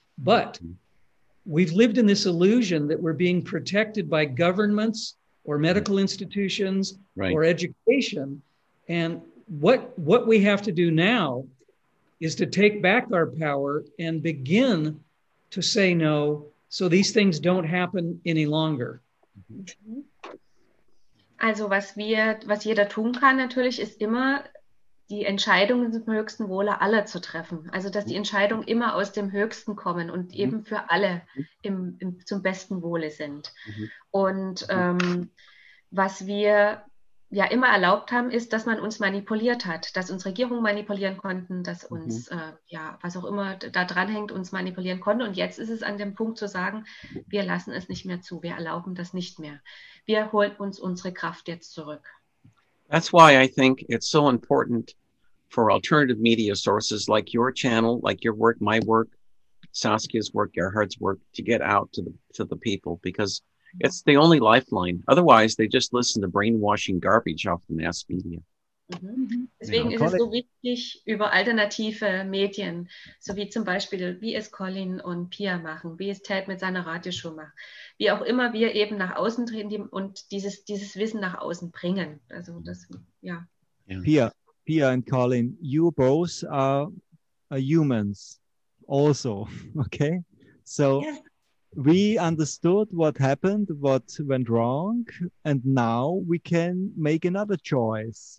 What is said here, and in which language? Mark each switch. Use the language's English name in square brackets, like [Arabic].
[English] But we've lived in this illusion that we're being protected by governments or medical institutions or education. And what we have to do now is to take back our power and begin to say no, so these things don't happen any longer. [German] Also was jeder tun kann natürlich ist immer die Entscheidungen zum höchsten Wohle aller zu treffen. Also, dass die Entscheidungen immer aus dem Höchsten kommen und eben für alle zum besten Wohle sind. Und was wir ja immer erlaubt haben, ist, dass man uns manipuliert hat, dass uns Regierungen manipulieren konnten, dass uns, ja, was auch immer da dranhängt, uns manipulieren konnte. Und jetzt ist es an dem Punkt zu sagen, wir lassen es nicht mehr zu, wir erlauben das nicht mehr. Wir holen uns unsere Kraft jetzt zurück. [English] That's why I think it's so important for alternative media sources like your channel, like your work, my work, Saskia's work, Gerhard's work, to get out to the people, because it's the only lifeline. Otherwise, they just listen to brainwashing garbage off the mass media. [German] Deswegen ist es so wichtig, über alternative Medien, so wie zum Beispiel, wie es Colin und Pia machen, wie es Ted mit seiner Radioshow macht, wie auch immer wir eben nach außen treten und dieses Wissen nach außen bringen. Also das, ja. [English] Pia and Colin, you both are humans also, okay? So yeah. We understood what happened, what went wrong, and now we can make another choice.